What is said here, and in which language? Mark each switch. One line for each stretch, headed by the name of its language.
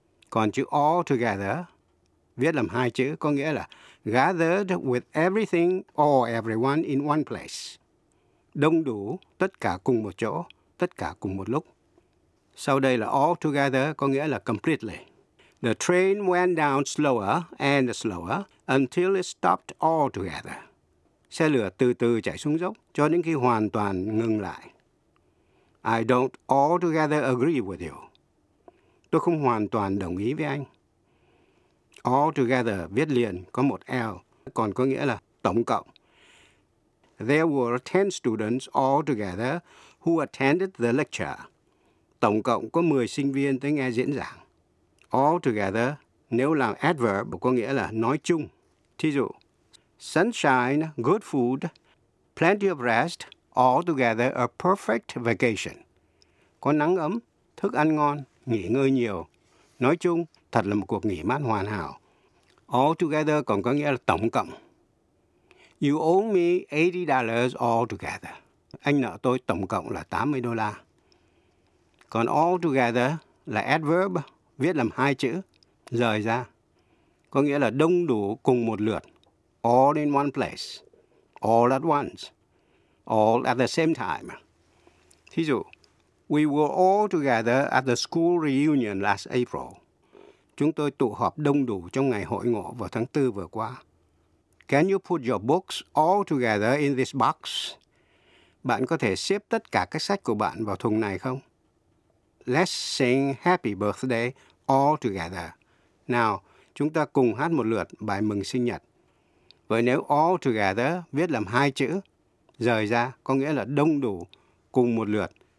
Vietnamese: Còn chữ all together viết làm hai chữ có nghĩa là
English: gathered with everything or everyone in one place.
Vietnamese: Đông đủ, tất cả cùng một chỗ, tất cả cùng một lúc. Sau đây là all together có nghĩa là completely.
English: The train went down slower and slower until it stopped altogether.
Vietnamese: Xe lửa từ từ chạy xuống dốc cho đến khi hoàn toàn ngừng lại.
English: I don't altogether agree with you.
Vietnamese: Tôi không hoàn toàn đồng ý với anh. Altogether viết liền có một L, còn có nghĩa là tổng cộng.
English: There were 10 students altogether who attended the lecture.
Vietnamese: Tổng cộng có 10 sinh viên tới nghe diễn giảng. All together, nếu là adverb, có nghĩa là nói chung. Thí dụ,
English: sunshine, good food, plenty of rest, all together a perfect vacation.
Vietnamese: Có nắng ấm, thức ăn ngon, nghỉ ngơi nhiều. Nói chung, thật là một cuộc nghỉ mát hoàn hảo.
English: All together
Vietnamese: còn có nghĩa là tổng cộng.
English: You owe me $80 all together.
Vietnamese: Anh nợ tôi tổng cộng là $80. Còn all together là adverb, viết làm hai chữ, rời ra. Có nghĩa là đông đủ cùng một lượt.
English: All in one place. All at once. All at the same time.
Vietnamese: Thí dụ,
English: we were all together at the school reunion last April.
Vietnamese: Chúng tôi tụ họp đông đủ trong ngày hội ngộ vào tháng 4 vừa qua.
English: Can you put your books all together in this box?
Vietnamese: Bạn có thể xếp tất cả các sách của bạn vào thùng này không?
English: Let's sing happy birthday all together.
Vietnamese: Nào, chúng ta cùng hát một lượt bài mừng sinh nhật. Vậy nếu all together viết làm hai chữ, rời ra có nghĩa là đông đủ cùng một lượt.